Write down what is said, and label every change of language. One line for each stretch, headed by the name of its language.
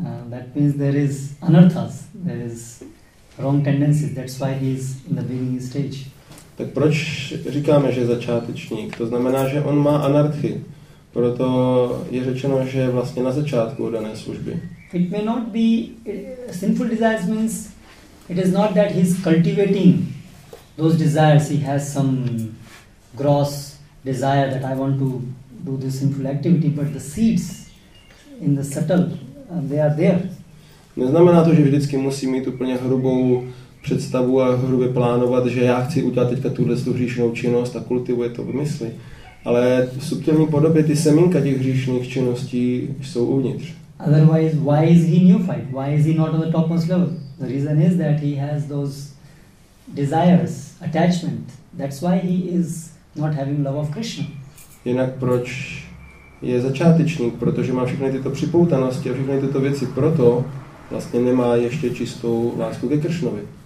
English: That means there is anarthas, there is wrong tendencies, that's why he is in the beginning stage.
Czech: Tak proč říkáme, že je začátečník? To znamená, že on má anarthy. Proto je řečeno, že je vlastně na začátku dané služby.
English: It may not be sinful desires means it is not that he is cultivating those desires. He has some gross desire that I want to do this sinful activity, but the seeds in the subtle, they are there.
Czech: Neznamená to, že vždycky musí mít úplně hrubou představu a hrubě plánovat, že já chci udělat teďka tuhle hříšnou činnost a kultivuje to v mysli. Ale v subtilní podobě ty semínka těch hříšných činností jsou uvnitř.
English: Otherwise, why is he neophyte? Why is he not on the topmost level? The reason is that he has those desires, attachment. That's why he is not having love of Krishna.
Czech: Jinak proč je začátečník? Protože má všechny tyto připoutanosti a všechny tyto věci. Proto vlastně nemá ještě čistou lásku ke Kršnovi.